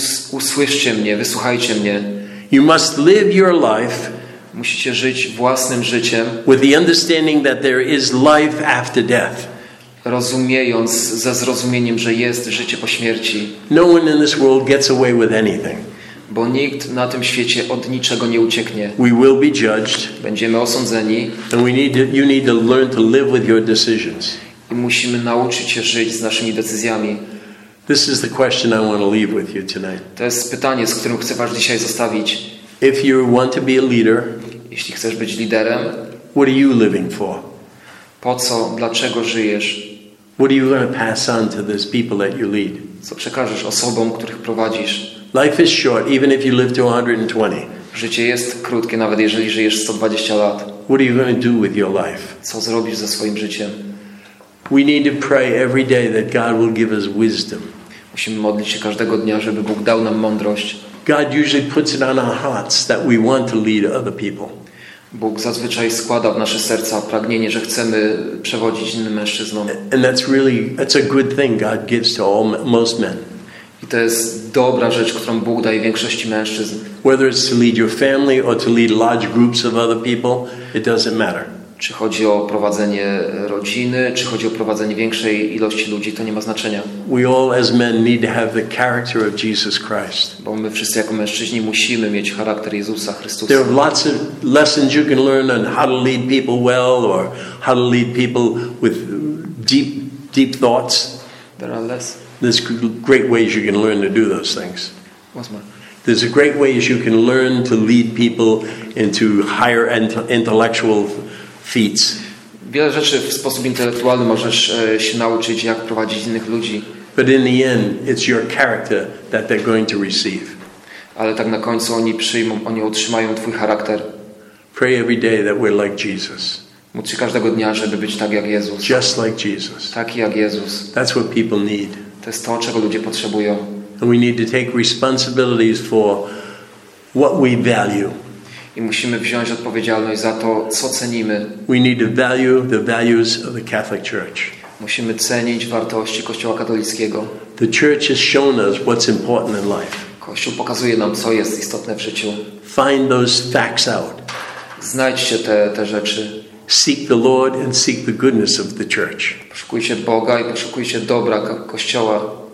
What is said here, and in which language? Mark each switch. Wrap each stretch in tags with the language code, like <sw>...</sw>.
<pl>Usłyszcie mnie, wysłuchajcie mnie.</pl> <en>You must live your life.</en> <pl>Musicie żyć własnym życiem.</pl> <en>With the understanding that there is life after death.</en> <pl>Rozumiejąc, ze zrozumieniem, że jest życie po śmierci.</pl> <en>No one in this world gets away with anything.</en> <pl>Bo nikt na tym świecie od niczego nie ucieknie.</pl> <en>We will be judged.</en> <pl>Będziemy osądzeni.</pl> <en>And you need to learn to live with your decisions.</en> <pl>I musimy nauczyć się żyć z naszymi decyzjami.</pl> <en>This is the question I want to leave with you tonight.</en> <pl>To jest pytanie, z którym chcę was dzisiaj zostawić.</pl> <en>If you want to be a leader,</en> <pl>jeśli chcesz być liderem,</pl> <en>what are you living for?</en> <pl>Po co, dlaczego żyjesz?</pl> <en>What are you going to pass on to these people that you lead?</en> <pl>Co przekażesz osobom, których prowadzisz?</pl> <en>Life is short, even if you live to 120.</en> <pl>Życie jest krótkie, nawet jeżeli żyjesz 120 lat.</pl> <en>What are you going to do with your life?</en> <pl>Co zrobisz ze swoim życiem?</pl> <en>We need to pray every day that God will give us wisdom.</en> <pl>Musimy modlić się każdego dnia, żeby Bóg dał nam mądrość.</pl> <en>God usually puts it on our hearts that we want to lead other people.</en> <pl>Bóg zazwyczaj składa w nasze serca pragnienie, że chcemy przewodzić innym mężczyznom.</pl> <en>And that's a good thing God gives to all, most men.</en> <pl>I to jest dobra rzecz, którą Bóg daje większości mężczyzn.</pl> <en>Whether it's to lead your family or to lead large groups of other people, it doesn't matter.</en> <pl>Czy chodzi o prowadzenie rodziny, czy chodzi o prowadzenie większej ilości ludzi, to nie ma znaczenia.</pl> <en>We all as men need to have the character of Jesus Christ.</en> <pl>Bo my wszyscy jako mężczyźni musimy mieć charakter Jezusa Chrystusa.</pl> <en>There are lots of lessons you can learn on how to lead people well or how to lead people with deep thoughts. There are less. There's great ways you can learn to do those things. What's more? There's a great ways you can learn to lead people into higher intellectual feats.</en> <pl>Wiele rzeczy w sposób intelektualny możesz się nauczyć, jak prowadzić innych ludzi.</pl> <en>But in the end, it's your character that they're going to receive.</en> <pl>Ale tak na końcu oni otrzymają twój charakter.</pl> <en>Pray every day that we're like Jesus.</en> <pl>Módl się każdego dnia, żeby być tak jak Jezus.</pl> <en>Just like Jesus.</en> <pl>Taki jak Jezus.</pl> <en>That's what people need.</en> <pl>To jest to, czego ludzie potrzebują.</pl> <en>And we need to take responsibilities for what we value.</en> <pl>I musimy wziąć odpowiedzialność za to, co cenimy.</pl> <en>We need to value the values of the Catholic Church.</en> <pl>Musimy cenić wartości Kościoła katolickiego.</pl> <en>The Church has shown us what's important in life.</en> <pl>Kościół pokazuje nam, co jest istotne w życiu.</pl> <en>Find those facts out.</en> <pl>Znajdźcie te rzeczy.</pl> <en>Seek the Lord and seek the goodness of the Church.</en> <pl>Poszukujcie Boga i poszukujcie dobra Kościoła.</pl>